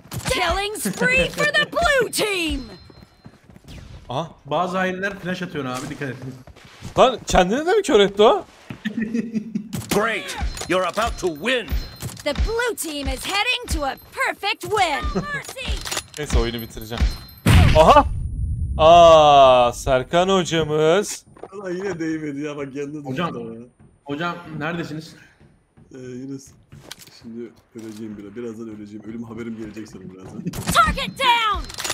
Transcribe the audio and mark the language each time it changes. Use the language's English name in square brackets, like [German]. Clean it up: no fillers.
[English] Killing spree for the blue team. Aha. [Turkish] Bazı hainler flash atıyor abi dikkat et. Lan kendini de mi kör etti o? [English] Great. You're about to win. The blue team is heading to a perfect win. [Turkish] Neyse oyunu bitireceğim. Aha! Aa, Serkan hocamız. Lan yine değmedi ya bak yanına düştü. Hocam. Hocam neredesiniz? Yunus. Şimdi öleceğim birazdan öleceğim. Ölüm haberim gelecek sana birazdan. [English] Target down.